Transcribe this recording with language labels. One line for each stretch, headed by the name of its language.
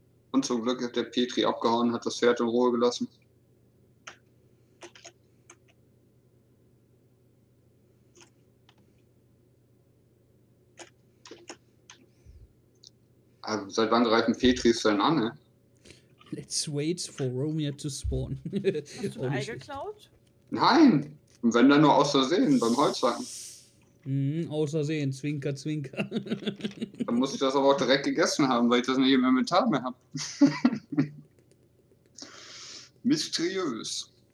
German: Und zum Glück hat der Petri abgehauen, hat das Pferd in Ruhe gelassen. Also seit wann greifen Petris denn an, ne?
English: Let's wait for Romeo to spawn.
German: Hast du ein Ei geklaut? Nein! Und wenn dann nur aus Versehen beim Holzhacken. Aus Versehen, zwinker, zwinker. Dann muss ich das aber auch direkt gegessen haben, weil ich das nicht im Inventar mehr habe. Mysteriös.